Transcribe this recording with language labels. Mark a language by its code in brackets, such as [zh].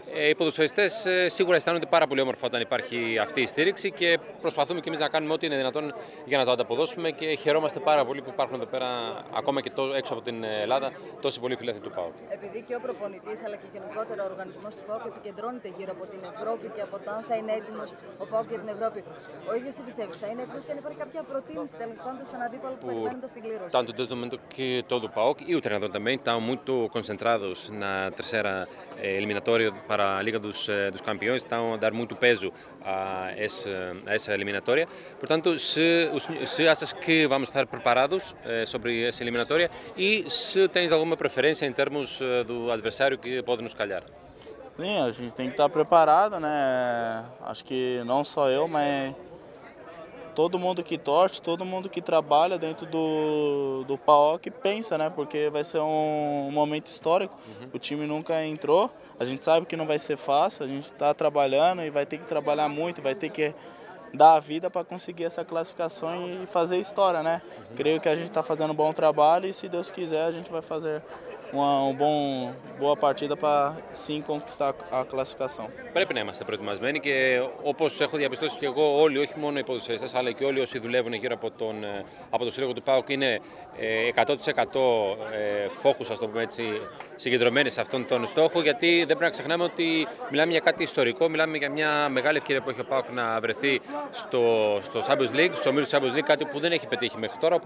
[el] Οι ποδοσφαιριστές σίγουρα αισθάνονται πάρα πολύ όμορφα όταν υπάρχει αυτή η στήριξη και προσπαθούμε και εμείς να κάνουμε ό,τι είναι δυνατόν για να το ανταποδώσουμε και χαιρόμαστε πάρα πολύ που υπάρχουν εδώ πέρα, ακόμα και έξω από την Ελλάδα, τόσοι πολλοί φιλάθλοι του ΠΑΟΚ. Επειδή και ο προπονητής αλλά και γενικότερα ο οργανισμός του ΠΑΟΚ επικεντρώνεται γύρω από την Ευρώπη και από το αν θα είναι έτοιμος ο ΠΑΟΚ για την Ευρώπη. Ο ίδιος τι πιστεύει, θα είναι έτοιμος και αν υπάρχει κάποια προτίμηση τέλος πάντων στον αντίπαλο που περιμένουν στην κλήρωση. [pt] Tanto desde o momento que todo o ΠΑΟΚ e o treinador também estão muito concentrados na terceira eliminatória. Para a Liga dos Campeões, estão a dar muito peso a essa eliminatória. Portanto, se achas que vamos estar preparados sobre essa eliminatória e se tens alguma preferência em termos do adversário que pode nos calhar? Sim, a gente tem que estar preparado, né? Acho que não só eu, mas todo mundo que torce, todo mundo que trabalha dentro do PAOK pensa, né? Porque vai ser um momento histórico. Uhum. O time nunca entrou. A gente sabe que não vai ser fácil. A gente está trabalhando e vai ter que trabalhar muito. Vai ter que dar a vida para conseguir essa classificação e fazer história, né? Uhum. Creio que a gente está fazendo um bom trabalho e, se Deus quiser, a gente vai fazer uma boa partida para sim conquistar a classificação. [el] Πρέπει να είμαστε προετοιμασμένοι και όπως έχω διαπιστώσει και εγώ, όλοι, όχι μόνο οι ποδοσφαιριστές, αλλά και όλοι όσοι δουλεύουν γύρω από το σύλλογο του ΠΑΟΚ, είναι 100% φόκους, ας το πούμε έτσι, συγκεντρωμένοι σε αυτόν τον στόχο, γιατί δεν πρέπει να ξεχνάμε ότι μιλάμε για κάτι ιστορικό, μιλάμε για μια μεγάλη ευκαιρία που έχει ο ΠΑΟΚ να βρεθεί στο Champions League, στο ομίλου του Champions League, κάτι που δεν έχει πετύχει μέχρι τώρα.